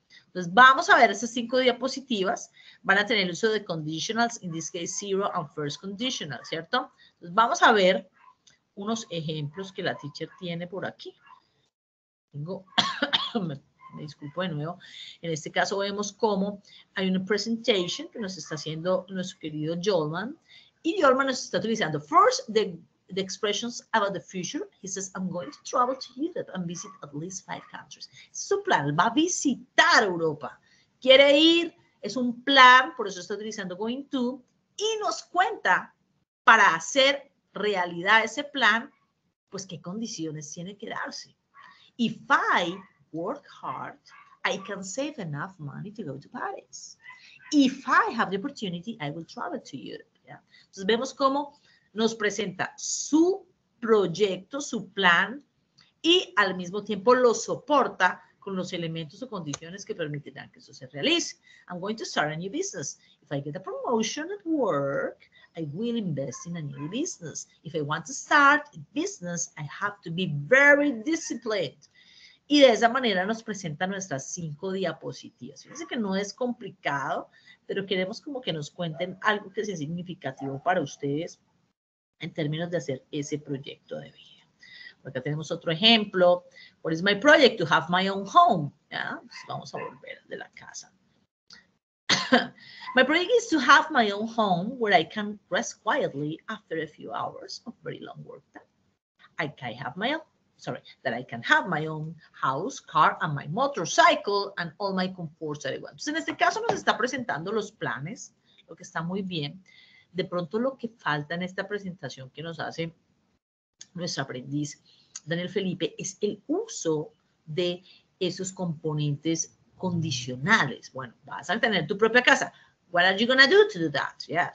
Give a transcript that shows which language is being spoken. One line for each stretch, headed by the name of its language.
Spanish: Entonces, vamos a ver esas 5 diapositivas. Van a tener el uso de conditionals,
English: in this case, zero and first conditional,
Spanish: ¿cierto? Entonces, vamos a ver unos ejemplos que la teacher tiene por aquí. Tengo, me disculpo de nuevo. En este caso vemos cómo hay una presentation que nos está haciendo nuestro querido Jolman. Y Jolman nos está utilizando
English: first the expressions about the future. He says, I'm going to travel to Europe and visit at least 5 countries.
Spanish: Es su plan, va a visitar Europa. Quiere ir, es un plan, por eso está utilizando going to. Y nos cuenta, para hacer realidad ese plan, pues qué condiciones tiene que darse.
English: If I work hard, I can save enough money to go to Paris. If I have the opportunity, I will travel to Europe.
Spanish: ¿Ya? Entonces vemos cómo nos presenta su proyecto, su plan, y al mismo tiempo lo soporta con los elementos o condiciones que permitirán que eso se realice.
English: I'm going to start a new business. If I get a promotion at work, I will invest in a new business. If I want to start a business, I have to be very disciplined.
Spanish: Y de esa manera nos presenta nuestras 5 diapositivas. Fíjense que no es complicado, pero queremos como que nos cuenten algo que sea significativo para ustedes en términos de hacer ese proyecto de vida. Acá tenemos otro ejemplo.
English: What is my project? To have my own home.
Spanish: ¿Ya? Pues vamos a volver de la casa.
English: My project is to have my own home where I can rest quietly after a few hours of very long work time. I can have my own house, car, and my motorcycle, and all my comforts that I want.
Spanish: Entonces, en este caso nos está presentando los planes, lo que está muy bien. De pronto lo que falta en esta presentación que nos hace nuestro aprendiz Daniel Felipe es el uso de esos componentes condicionales. Bueno, vas a tener tu propia casa.
English: What are you going to do that? Yeah.